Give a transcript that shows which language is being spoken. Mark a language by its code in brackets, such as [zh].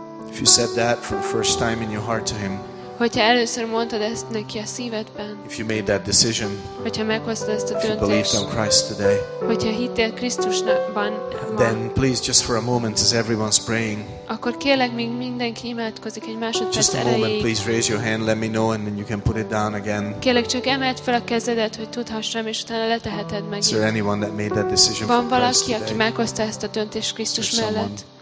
[en] If you said that for the first time in your heart to him. [hu] Hogyha először mondtad ezt neki a szívedben. [en] If you made that decision. [hu] Hogyha meghoztad ezt a döntést. [en] If you believed on Christ today. [hu] Hogyha hittél Krisztusban. [en] Then please just for a moment as everyone's praying. [hu] Akkor kérlek, míg mindenki imádkozik egy másodperc [en] just a moment, [hu] erejéig. [en] Please raise your hand, let me know, and then you can put it down again. [hu] Kérlek, csak emeld fel a kezedet, hogy tudhassam, és utána leteheted meg. [en] Is there anyone that made that decision? [hu] Van valaki, aki meghozta ezt a döntést Krisztus mellett?